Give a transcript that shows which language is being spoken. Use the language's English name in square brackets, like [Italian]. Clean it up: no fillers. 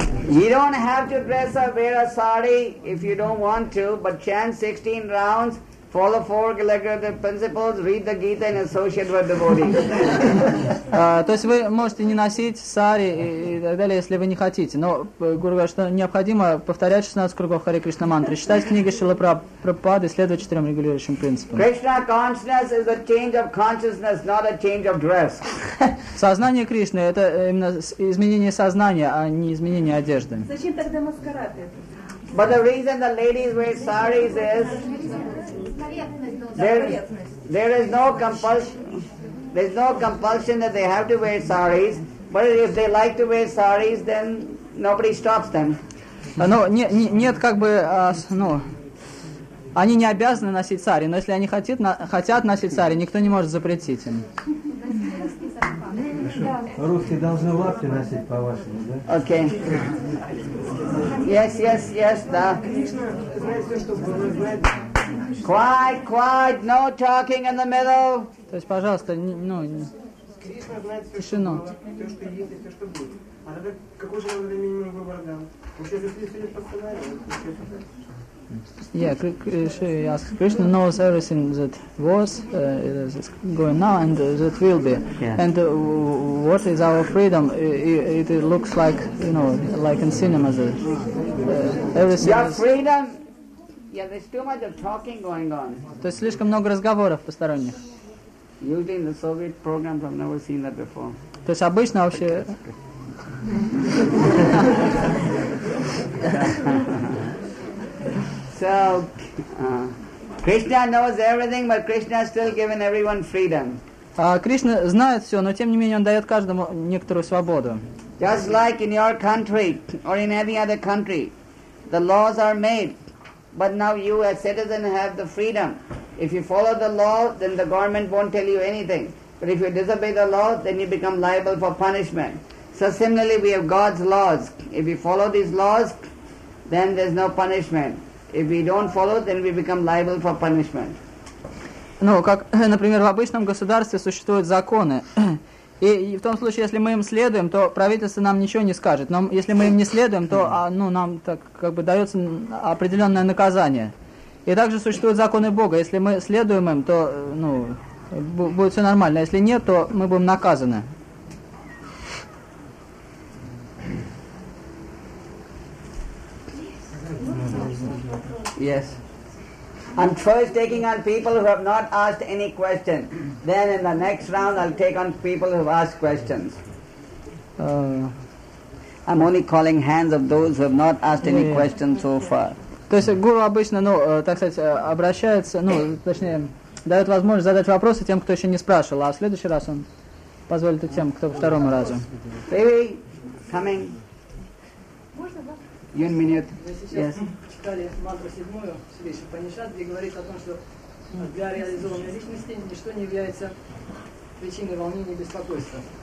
[English] You don't have to dress or wear a sari if you don't want to, but chant 16 rounds, follow four legislative principles, read the Gita and associate with devotees. [Russian] То есть вы можете не носить сари и так далее, если вы не хотите. Но Гуру говорит, что необходимо повторять 16 кругов Хари Кришна мантры, читать книги Шрилы Прабхупады, следовать четырем регулирующим принципам. [English] Krishna consciousness is a change of consciousness, not a change of dress. [Russian] Сознание Кришны это именно изменение сознания, а не изменение одежды. Зачем тогда маскарад? [English] But the reason the ladies wear saris is there is no compulsion that they have to wear saris, but if they like to wear saris, then nobody stops them. [Russian] Но нет как бы, ну, они не обязаны носить сари, но если они хотят носить сари, никто не может запретить им. Русские должны лапти носить по-вашему, да? [English] Окей. Yes, yes, yes, да. Quiet, quiet, no talking in the middle. [Russian] То есть, пожалуйста, ну, Кришна знает все, что было, все, что есть, и все, что будет. А тогда какой же он для минимума выбор дал? Уж если все не постановили, [English] Yeah, Krishna asks. Krishna knows everything that was, that's going now, and that will be. Yeah. And what is our freedom? It looks like, you know, like in cinema. Everything. Your freedom. Yeah, there's too much of talking going on. [Russian] То есть слишком много разговоров посторонних. [English] Using the Soviet programs, I've never seen that before. [Russian] То есть обычно вообще. [English] So, Krishna knows everything, but Krishna is still giving everyone freedom. [Russian] Кришна знает все, но тем не менее он дает каждому некоторую свободу. [English] Just like in your country or in any other country, the laws are made, but now you as citizen have the freedom. If you follow the law, then the government won't tell you anything. But if you disobey the law, then you become liable for punishment. So similarly, we have God's laws. If we follow these laws, then there's no punishment. If we don't follow, then we become liable for punishment. [Russian] Ну, как, например, в обычном государстве существуют законы. И в том случае, если мы им следуем, то правительство нам ничего не скажет. Но если мы им не следуем, то ну, нам так как бы дается определенное наказание. И также существуют законы Бога. Если мы следуем им, то ну, будет все нормально. Если нет, то мы будем наказаны. [English] Yes. I'm first taking on people who have not asked any question. Then in the next round, I'll take on people who have asked questions. I'm only calling hands of those who have not asked any questions so far. [Russian] То есть гуру обычно, ну, так сказать, обращается, ну, точнее, дает возможность задать вопросы тем, кто еще не спрашивал, а в следующий раз он позволит и тем, кто второму разу. [English] Baby, coming. [Russian] Можно, да? [English] One minute. Yes. [Russian] Читали мантру седьмую, Сивиши Панишат, где говорится о том, что для реализованной личности ничто не является причиной волнения и беспокойства.